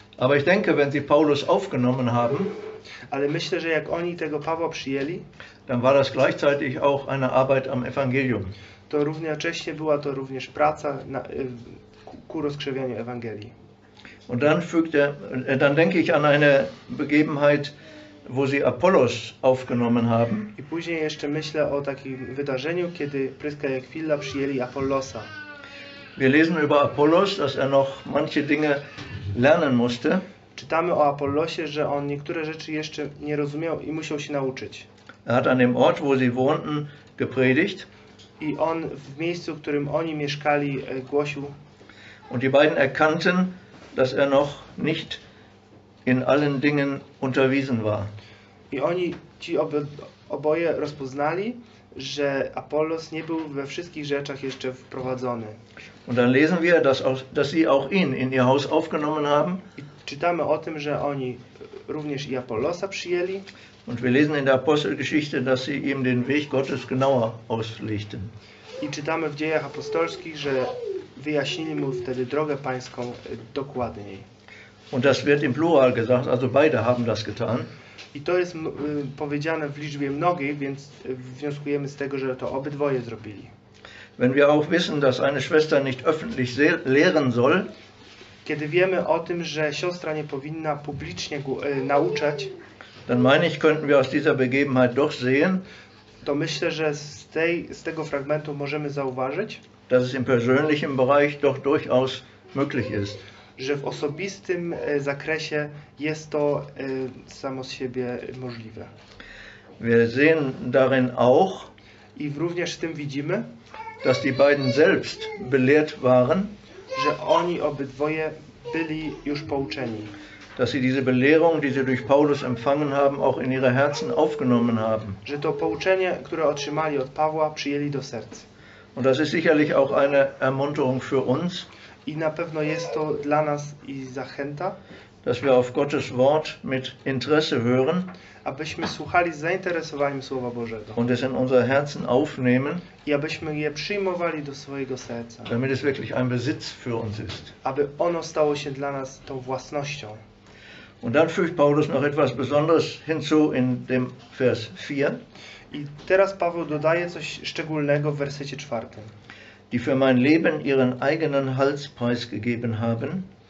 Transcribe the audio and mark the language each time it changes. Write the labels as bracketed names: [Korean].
[German] Aber ich denke, wenn sie Paulus aufgenommen haben, [Polish] ale myślę, że jak oni tego Pawła przyjęli, [German] dann war das gleichzeitig auch eine Arbeit am Evangelium. [Polish] To równocześnie była to również praca ku rozkrzewianiu Ewangelii. [German] Und dann fügt er, dann denke ich an eine Begebenheit, wo sie Apollos aufgenommen haben. [Polish] I później jeszcze myślę o takim wydarzeniu, kiedy Pryska i Aquila przyjęli Apollosa. [German] Wir lesen über Apollos, dass er noch manche Dinge lernen musste. [Polish] Czytamy o Apollosie, że on niektóre rzeczy jeszcze nie rozumiał i musiał się nauczyć. [German] Er hat an dem Ort, wo sie wohnten, gepredigt. [Polish] I on w miejscu, w którym oni mieszkali, głosił. [German] Und die beiden erkannten, dass er noch nicht in allen Dingen unterwiesen war. [Polish] I oni ci oboje rozpoznali, że Apollos nie był we wszystkich rzeczach jeszcze wprowadzony. [German] Und dann lesen wir, dass sie auch ihn in ihr Haus aufgenommen haben. [Polish] I czytamy o tym, że oni również i Apollosa przyjęli. [German] Und wir lesen in der Apostelgeschichte, dass sie ihm den Weg Gottes genauer auslegten. [Polish] I czytamy w Dziejach Apostolskich, że wyjaśnili mu wtedy drogę pańską dokładniej. [German] Und das wird im Plural gesagt, also beide haben das getan. [Polish] I to jest powiedziane w liczbie mnogiej, więc wnioskujemy z tego, że to obydwoje zrobili. [German] Wenn wir auch wissen, dass eine Schwester nicht öffentlich lehren soll, [Polish] kiedy wiemy o tym, że siostra nie powinna publicznie nauczać, [German] dann meine ich, könnten wir aus dieser Begebenheit doch sehen, [Polish] to myślę, że z tego fragmentu możemy zauważyć, [German] dass es im persönlichen Bereich doch durchaus möglich ist, [Polish] że w osobistym zakresie jest to samo z siebie możliwe. [German] Wir sehen darin auch, [Polish] i również w tym widzimy, [German] dass die beiden selbst belehrt waren, [Polish] że oni obydwoje byli już pouczeni, [German] dass sie diese Belehrung, die sie durch Paulus empfangen haben, auch in ihre Herzen aufgenommen haben. [Polish] Że to pouczenie, które otrzymali od Pawła, przyjęli do serc. [German] Und das ist sicherlich auch eine Ermunterung für uns. [Polish] I na pewno jest to dla nas i zachęta, [German] dass wir auf Gottes Wort mit Interesse hören, [Polish] abyśmy słuchali z zainteresowaniem Słowa Bożego, [German] und es in unser Herzen aufnehmen, [Polish] i abyśmy je przyjmowali do swojego serca, [German] damit es wirklich ein Besitz für uns ist, [Polish] aby ono stało się dla nas tą własnością. [German] Und dann fügt Paulus noch etwas Besonderes hinzu in dem Vers 4. [Polish] I teraz Paweł dodaje coś szczególnego w wersecie 4. [German] Die für mein Leben ihren eigenen Hals preisgegeben haben,